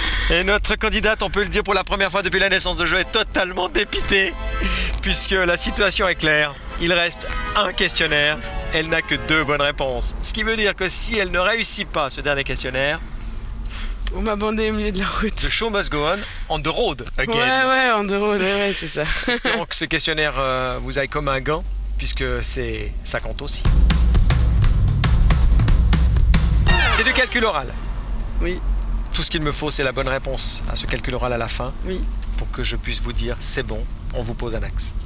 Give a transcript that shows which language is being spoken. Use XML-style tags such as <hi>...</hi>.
<fr>Et notre candidate, on peut le dire pour la première fois depuis la naissance de Joe, est totalement dépitée, puisque la situation est claire. Il reste un questionnaire, elle n'a que 2 bonnes réponses. Ce qui veut dire que si elle ne réussit pas ce dernier questionnaire... Vous m'abandonnez au milieu de la route.</fr> <en>The show must go on the road again.</en> <fr>Ouais,</fr> <en>on the road,</en> <fr>ouais, c'est ça. Espérons que ce questionnaire vous aille comme un gant, puisque ça compte aussi. C'est du calcul oral. Oui. Tout ce qu'il me faut, c'est la bonne réponse à ce calcul oral à la fin. Oui. Pour que je puisse vous dire, c'est bon, on vous pose un axe.</fr>